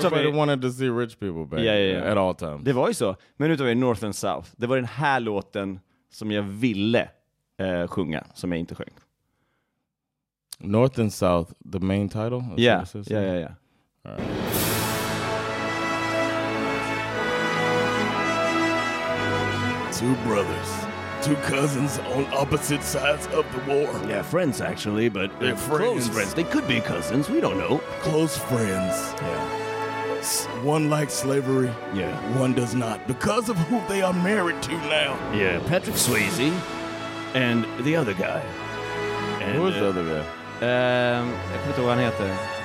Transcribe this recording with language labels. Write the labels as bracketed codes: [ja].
[en] Everybody wanted to see rich people back at all times. [sv] Det var ju så. Men nu tar vi North and South. Det var den här låten som jag ville sjunga, som jag inte sjöng. [en] North and South, the main title? Yeah. Two brothers two cousins on opposite sides of the war. Yeah, friends, actually, but friends. Close friends. They could be cousins. We don't know. Close friends. Yeah. One likes slavery. Yeah. One does not, because of who they are married to now. Yeah, Patrick Swayze and the other guy. And, who is the other guy? [sv] Jag vet inte vad han heter.